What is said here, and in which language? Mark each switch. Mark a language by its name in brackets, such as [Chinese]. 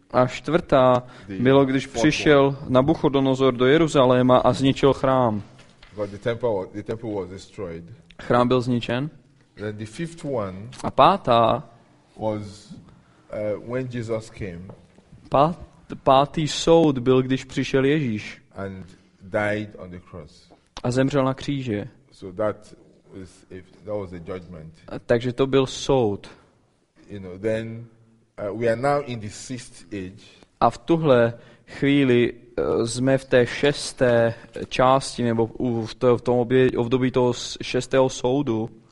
[Czech] A čtvrtá bylo, když přišel Nabuchodonozor do Jeruzaléma a zničil chrám. [English] But the temple was destroyed. [Czech] Chrám byl zničen. [English] Then the fifth one. [Czech] A pátá [English] was when Jesus came. [Czech] Pátý soud byl, když přišel Ježíš. [English] And died on the cross. [Czech] A zemřel na kříži. [English] So that was a judgment. [Czech] Takže to byl soud. [English] You know, then we are now in the sixth age. [Czech] A v tuhle chvíli jsme v té šesté části nebo v tom období toho šestého soudu.